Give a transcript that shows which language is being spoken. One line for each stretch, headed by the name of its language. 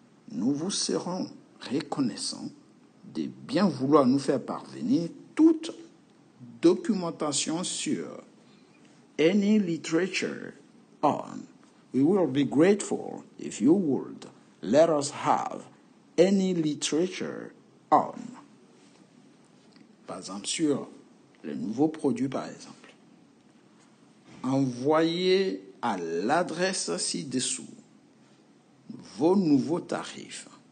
French: Nous vous serons reconnaissants de bien vouloir nous faire parvenir toute documentation sur
English: any literature on. We will be grateful if you would let us have any literature on.
French: Par exemple, sur les nouveaux produits, par exemple. Envoyez à l'adresse ci-dessous vos nouveaux tarifs.